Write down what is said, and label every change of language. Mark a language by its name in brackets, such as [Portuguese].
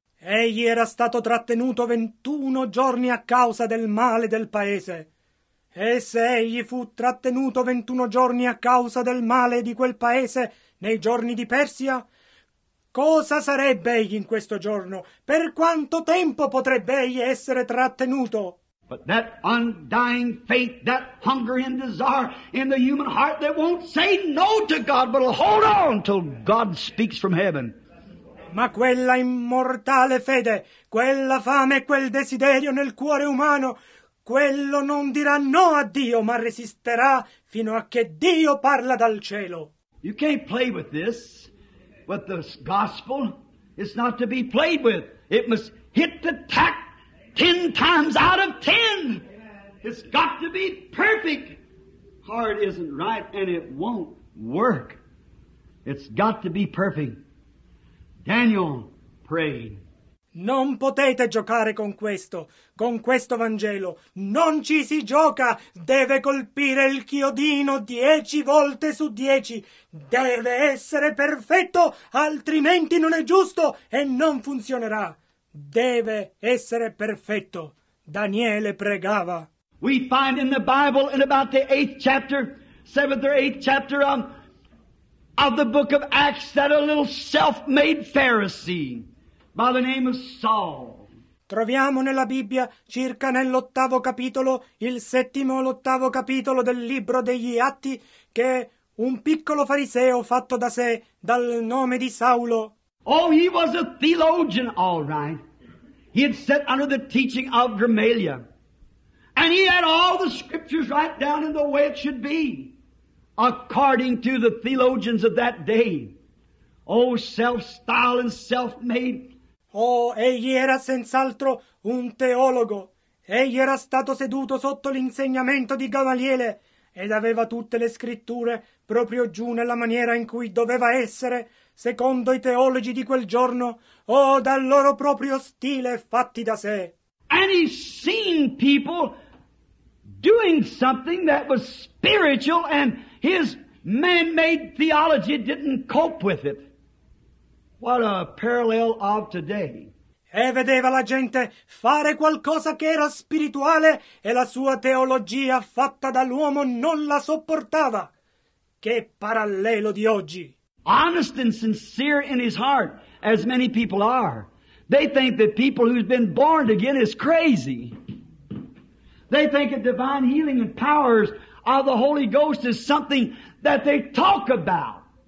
[Italian] Egli era stato trattenuto 21 giorni a causa del male del paese. E se egli fu trattenuto 21 giorni a causa del male di quel paese nei giorni di Persia, cosa sarebbe egli in questo giorno? Per quanto tempo potrebbe egli essere trattenuto? [English] But that undying faith, that hunger and desire in the human heart that won't say no to God, but will hold on till God speaks from heaven. [Italian] Ma quella immortale fede, quella fame e quel desiderio nel cuore umano, quello non dirà no a Dio, ma resisterà fino a che Dio parla dal cielo. [English] You can't play with this, with this gospel. It's not to be played with. It must hit the tack 10 times out of 10. It's got to be perfect. Heart isn't right and it won't work. It's got to be perfect. Daniel prayed. [Italian] Non potete giocare con questo Vangelo. Non ci si gioca. Deve colpire il chiodino 10 volte su 10. Deve essere perfetto, altrimenti non è giusto e non funzionerà. Deve essere perfetto. Daniele pregava. [English] We find in the Bible in about the 7th or 8th chapter of the book of Acts that a little self-made Pharisee by the name of Saul. [Italian] Troviamo nella Bibbia circa nell'ottavo capitolo, il settimo o l'ottavo capitolo del libro degli Atti, che un piccolo fariseo fatto da sé dal nome di Saulo. [English] Oh, he was a theologian, all right. He had sat under the teaching of Gamaliel. And he had all the scriptures right down in the way it should be, according to the theologians of that day. Oh, self-styled and self-made. [Italian] Oh, egli era senz'altro un teologo. Egli era stato seduto sotto l'insegnamento di Gamaliele ed aveva tutte le scritture proprio giù nella maniera in cui doveva essere, secondo i teologi di quel giorno, o dal loro proprio stile fatti da sé. [English] And he seen people doing something that was spiritual and his man-made theology didn't cope with it. What a parallel of today. [Italian] E vedeva la gente fare qualcosa che era spirituale e la sua teologia fatta dall'uomo non la sopportava. Che parallelo di oggi. [English] Honest and sincere in his heart, as many people are. They think that people who've been born again is crazy. They think that divine healing and powers of the Holy Ghost is something that they talk about.